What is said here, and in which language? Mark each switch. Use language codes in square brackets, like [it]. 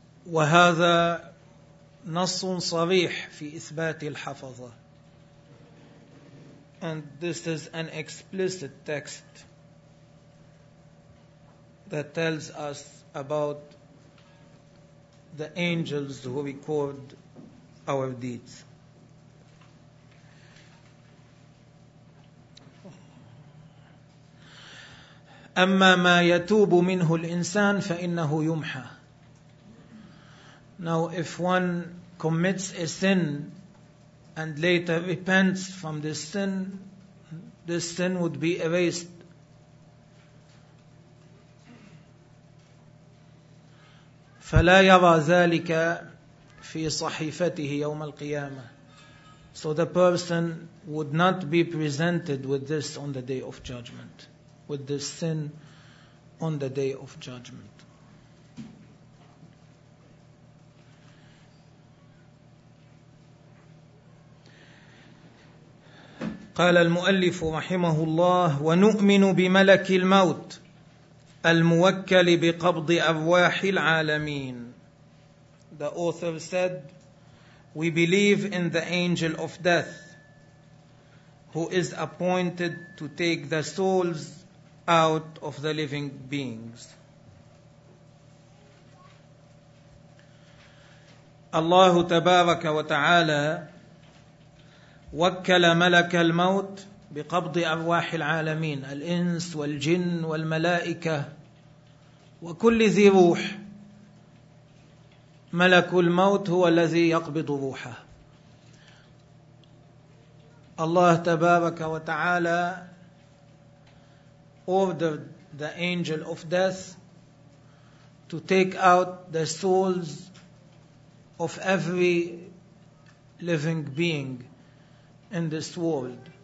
[ar] وهذا نص صريح في إثبات الحفظة. [en] And this is an explicit text that tells us about the angels who record our deeds. [ar] أما ما يتوب منه الإنسان فإنه يمحى. [en] Now if one commits a sin and later repents from this sin would be erased. [ar] فلا يرى ذلك في صحيفته يوم القيامة. [en] So the person would not be presented with this on the day of judgment. With this sin on the day of judgment. [ar] قال المؤلف رحمه الله ونؤمن بملك الموت الموكل بقبض أرواح العالمين. [en] The author said, we believe in the angel of death who is appointed to take the souls out of the living beings. [ar] الله تبارك وتعالى وكل ملك الموت بقبض أرواح العالمين الإنس والجن والملائكة وكل ذي روح. ملك الموت هو الذي يقبض روحه. الله تبارك وتعالى [en] ordered the angel of death to take out the souls of every living being in this world.